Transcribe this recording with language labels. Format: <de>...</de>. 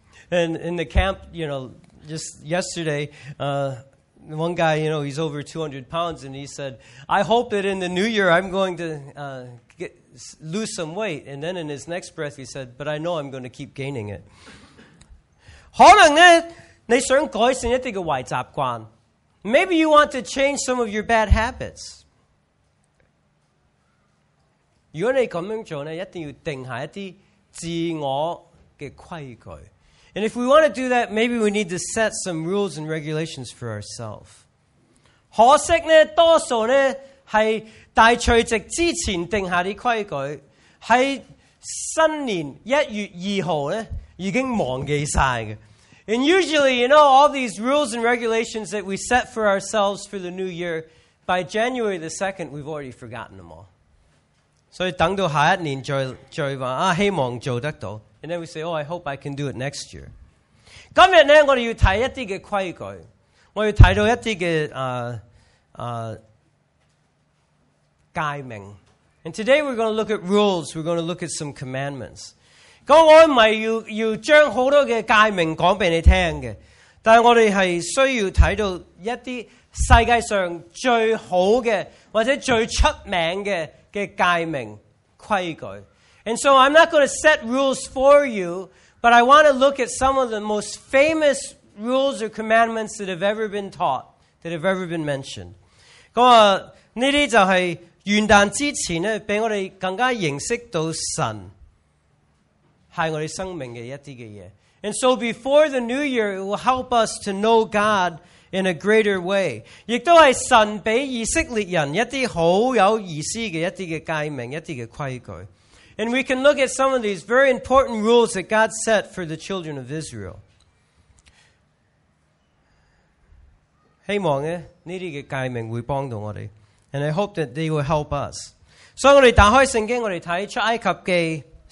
<en>in the camp, you know, just yesterday, one guy, you know, he's over 200 pounds, and he said, I hope that in the new year I'm going to lose some weight. And then in his next breath, he said, but I know I'm going to keep gaining it.</en> <yue>可能呢，你想改善一啲嘅坏习惯。</yue> <en>Maybe you want to change some of your bad habits.</en> <yue>如果你咁样做咧，一定要定下一啲自我嘅规矩。</yue> <en>And if we want to do that, maybe we need to set some rules and regulations for ourselves.</en> <yue>可惜咧，多数咧系大除夕之前定下啲规矩，喺新年一月二号咧已经忘记晒嘅。</yue> <en>And usually, you know, all these rules and regulations that we set for ourselves for the new year, by January the 2nd, we've already forgotten them all.</en> <yue>所以等到下一年再话啊，希望做得到。</yue> <en>And then we say, oh, I hope I can do it next year.</en> <yue>今日呢，我哋要睇一啲嘅规矩，我要睇到一啲嘅诫命。</yue> <en>And today we're going to look at rules, we're going to look at some commandments. 咁</en> <yue>我唔系要将好多嘅诫命讲俾你听嘅，但系我哋系需要睇到一啲世界上最好嘅或者最出名嘅诫命规矩。</yue> <en>And so I'm not going to set rules for you, but I want to look at some of the most famous rules or commandments that have ever been taught, that have ever been mentioned.</en> <yue>咁啊，呢啲就系元旦之前咧，俾我哋更加认识到神。</yue> <en>And so before the new year, it will help us to know God in a greater way.</en> <yue>亦都系神俾以色列人一啲好有意思嘅一啲嘅诫命，一啲嘅规矩。</yue> <en>And we can look at some of these very important rules that God set for the children of Israel.</en> <yue>希望呢啲嘅诫命会帮到我哋。</yue> <en>And I hope that they will help us.</en> <yue>所以我哋打开圣经，我哋睇出埃及记。</yue>